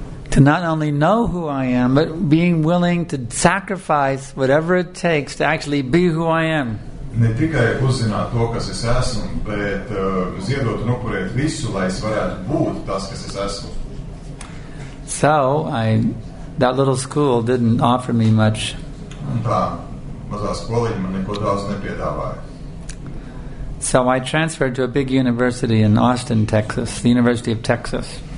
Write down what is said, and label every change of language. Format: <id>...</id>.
<en>To not only know who I am, but being willing to sacrifice whatever it takes to actually be who I am.</en> <lv>Ne tikai uzzināt to, kas es esmu, bet ziedot un upurēt visu, lai es varētu būt tas, kas es esmu.</lv> <en>So, that little school didn't offer me much.</en> <lv>Tā, mazā skoliņa man neko daudz nepiedāvāja.</lv> <en>So, I transferred to a big university in Austin, Texas, the University of Texas.</en>